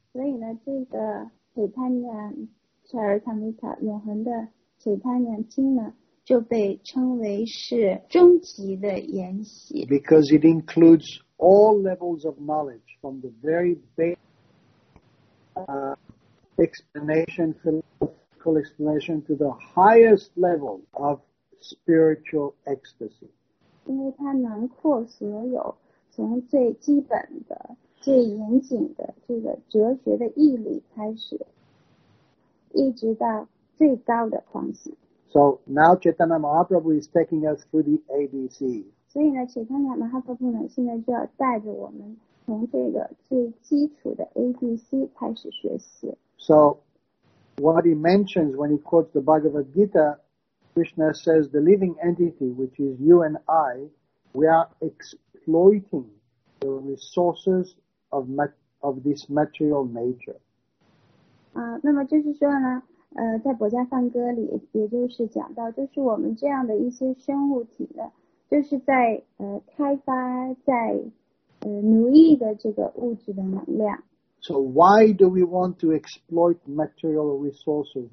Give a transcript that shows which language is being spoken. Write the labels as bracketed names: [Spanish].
[Chinese] 所以呢，这个 Chaitanya Charitamrita 永恒的 Chaitanya 经呢，就被称为是终极的研习。 [English] Because it includes all levels of knowledge from the very basic explanation, philosophical explanation, to the highest level of. Spiritual ecstasy. [Chinese] 因为它囊括所有，从最基本的、最严谨的这个哲学的义理开始，一直到最高的狂喜。 [English] So now Chaitanya Mahaprabhu is taking us through the ABC. [Chinese] 所以呢 ，Chaitanya Mahaprabhu 呢，现在就要带着我们从这个最基础的 ABC 开始学习。 [English] So what he mentions when he quotes the Bhagavad Gita. Krishna says the living entity, which is you and I, we are exploiting the resources of this material nature. [Chinese] 那么就是说呢，在薄伽梵歌里，也就是讲到，就是我们这样的一些生物体呢，就是在开发，在奴役的这个物质的能量。 [English] So why do we want to exploit material resources?